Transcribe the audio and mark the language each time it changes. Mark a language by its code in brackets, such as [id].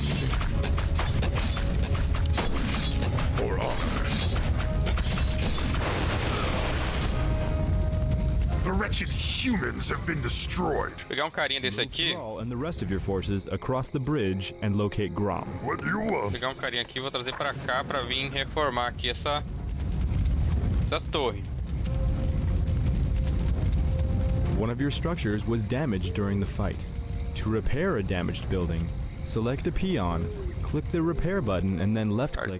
[en] For honor. The wretched humans have been destroyed. [pt] Pegar carinha desse aqui. [en] And the rest of your forces across the bridge and locate Grom. What do you want? [pt] Pegar carinha aqui, vou trazer para cá para vir reformar aqui essa torre. [en] One of your structures was damaged during the fight. To repair a damaged building, select a peon, click the repair button and then left click